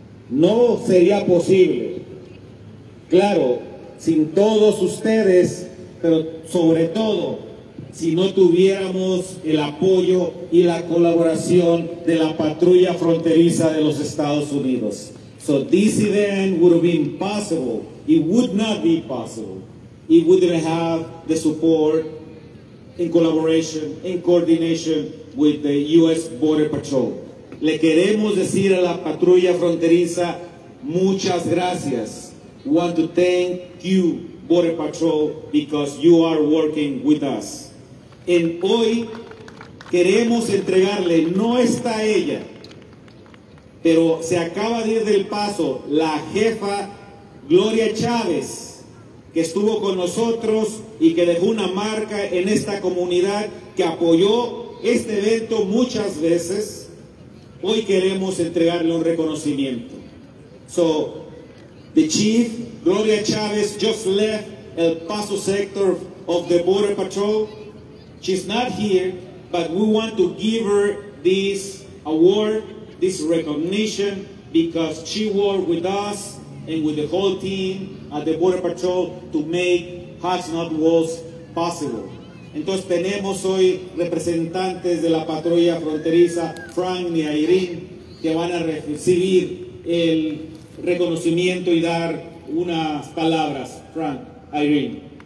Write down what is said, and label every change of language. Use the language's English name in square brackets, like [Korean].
[Spanish] No sería posible, claro, sin todos ustedes, pero sobre todo si no tuviéramos el apoyo y la colaboración de la patrulla fronteriza de los Estados Unidos. [English] So this event would have been possible, it would not be possible, it wouldn't have the support in collaboration, in coordination with the U.S. Border Patrol. [Spanish] Le queremos decir a la patrulla fronteriza muchas gracias. [English] Want to thank you, Border Patrol, because you are working with us. [Spanish] And hoy queremos entregarle, no está ella, pero se acaba de ir del paso la jefa Gloria Chávez, que estuvo con nosotros y que dejó una marca en esta comunidad, que apoyó este evento muchas veces. Hoy queremos entregarle un reconocimiento. [English] So, the chief, Gloria Chávez, just left El Paso sector of the Border Patrol. She's not here, but we want to give her this award, this recognition, because she worked with us and with the whole team at the Border Patrol to make Hats Not Walls possible. [Spanish] Entonces tenemos hoy representantes de la patrulla fronteriza, Frank y Irene, que van a recibir el reconocimiento y dar unas palabras. Frank, Irene.